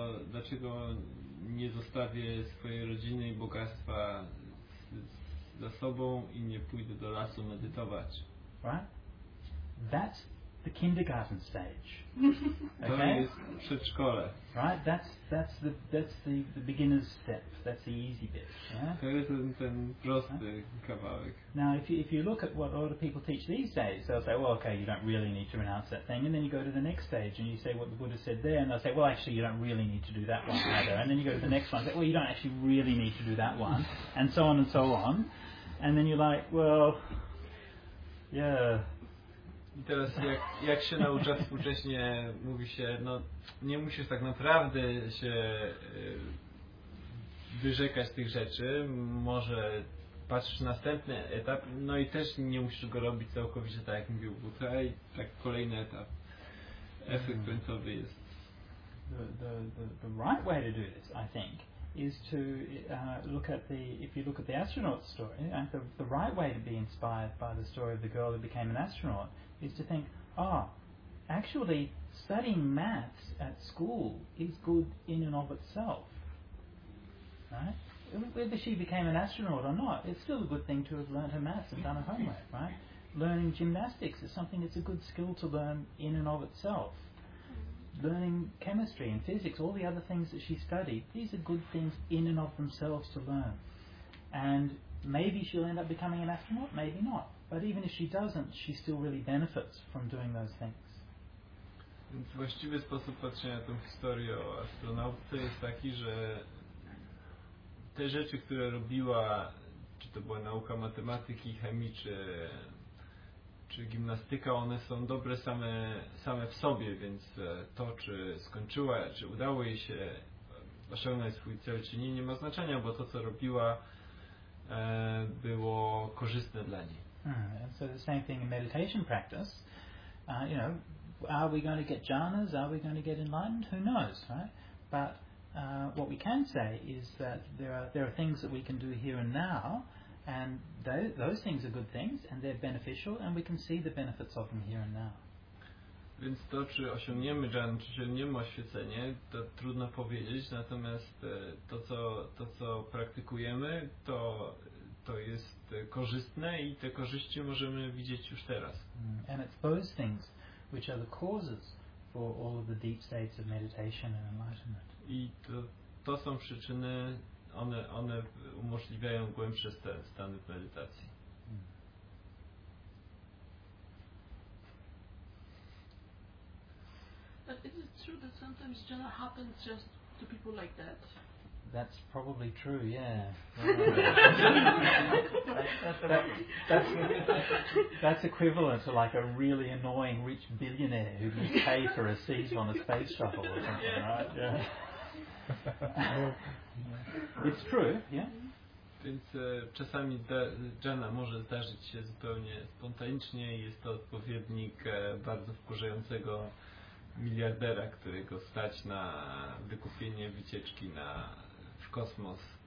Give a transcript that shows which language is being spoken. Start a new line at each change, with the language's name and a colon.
Polish: Dlaczego nie zostawię swojej rodziny i bogactwa za sobą i nie pójdę do lasu medytować?
English: Right? That's the kindergarten stage.
Polish: Okay? To jest przedszkole.
English: Right? That's the beginner's step. That's the easy bit. Yeah?
Polish: To jest ten prosty kawałek.
English: Now, if you look at what a lot of people teach these days, they'll say, well, okay, you don't really need to renounce that thing. And then you go to the next stage and you say what the Buddha said there, and they'll say, well, actually, you don't really need to do that one either. And then you go to the next one and say, well, you don't actually really need to do that one. And so on and so on. And then you're like, well, yeah.
Polish: I teraz jak się naucza współcześnie, mówi się, no nie musisz tak naprawdę się wyrzekać tych rzeczy, może patrzysz następny etap, no i też nie musisz go robić całkowicie tak jak mówił Buta, i tak kolejny etap, efekt końcowy jest.
English: The right way to do this, I think, is to look at the, if you look at the astronaut story, the right way to be inspired by the story of the girl who became an astronaut, is to think, oh, actually studying maths at school is good in and of itself. Right? Whether she became an astronaut or not, it's still a good thing to have learned her maths and done her homework, right? Learning gymnastics is something that's a good skill to learn in and of itself. Learning chemistry and physics, all the other things that she studied, these are good things in and of themselves to learn. And maybe she'll end up becoming an astronaut, maybe not. But even if she doesn't, she still really benefits from doing those things.
Polish: Więc właściwy sposób patrzenia na tę historię o astronautce jest taki, że te rzeczy, które robiła, czy to była nauka matematyki, chemii, czy gimnastyka, one są dobre same w sobie, więc to, czy skończyła, czy udało jej się osiągnąć swój cel, czy nie ma znaczenia, bo to, co robiła, było korzystne dla niej.
English: So the same thing in meditation practice, you know, are we going to get jhanas, are we going to get enlightened, who knows, right? But what we can say is that there are things that we can do here and now, and those things are good things, and they're beneficial, and we can see the benefits of them here and now.
Polish: Więc to, czy osiągniemy dżan, czy osiągniemy oświecenie, to trudno powiedzieć, natomiast to co praktykujemy, to jest korzystne i te korzyści możemy widzieć już teraz.
English: And it's those things which are the causes for all of the deep states of meditation and enlightenment.
Polish: I to są przyczyny, one umożliwiają głębsze stany medytacji.
English: But is it true that sometimes jhana happens just to people like that? That's probably true, yeah. that's equivalent to like a really annoying rich billionaire who can pay for a seat on a space shuttle or something, yeah. Right? Yeah. It's true, yeah.
Polish: Więc czasami dżana może zdarzyć się zupełnie spontanicznie i jest to odpowiednik bardzo wkurzającego miliardera, którego stać na wykupienie wycieczki na kosmos.